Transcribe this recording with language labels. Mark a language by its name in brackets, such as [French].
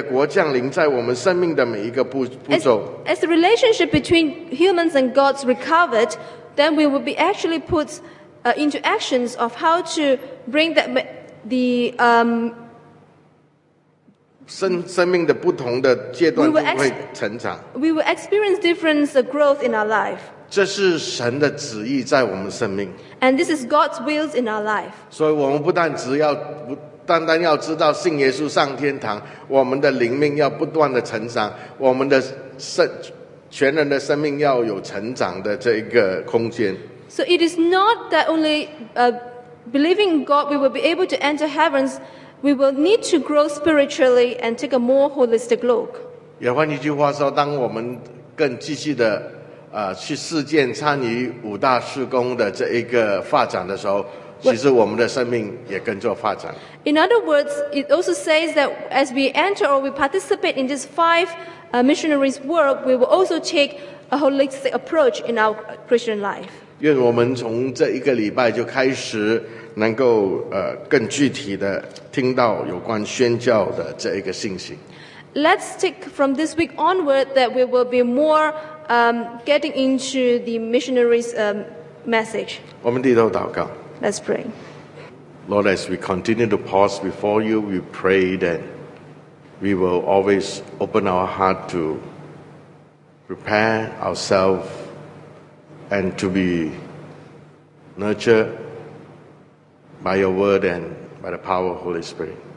[Chinese] 而当我们跟神的关系恢复的时候，我们也懂得怎么样的去迎接，怎么样的去实践愿你的国降临在我们生命的每一个步骤。 [English] As the relationship between humans and God's recovered, then we will be actually put into actions of how to bring that the [Chinese] 生命的不同的阶段都会成长。 [English] We will experience different growth in our life. [Chinese] 这是神的旨意在我们生命。 [English] And this is God's will in our life. [Chinese] 所以我们不但只要不单单要知道信耶稣上天堂，我们的灵命要不断的成长，我们的全人的生命要有成长的这个空间。 [English] So it is not that only believing in God we will be able to enter heavens, we will need to grow spiritually and take a more holistic look. [Chinese] 也换一句话说，当我们更积极的去实践参与五大事工的这一个发展的时候，其实我们的生命也跟着发展。 [English] In other words, it also says that as we enter or we participate in these five missionaries' work, we will also take a holistic approach in our Christian life. [Chinese] 愿我们从这一个礼拜就开始，能够更具体的听到有关宣教的这一个信息。 [English] Let's take from this week onward that we will be more getting into the missionaries' message. [Chinese] 我们低头祷告。 [English] Let's pray. Lord, as we continue to pause before you, we pray that we will always open our heart to prepare ourselves and to be nurtured by your word and by the power of the Holy Spirit.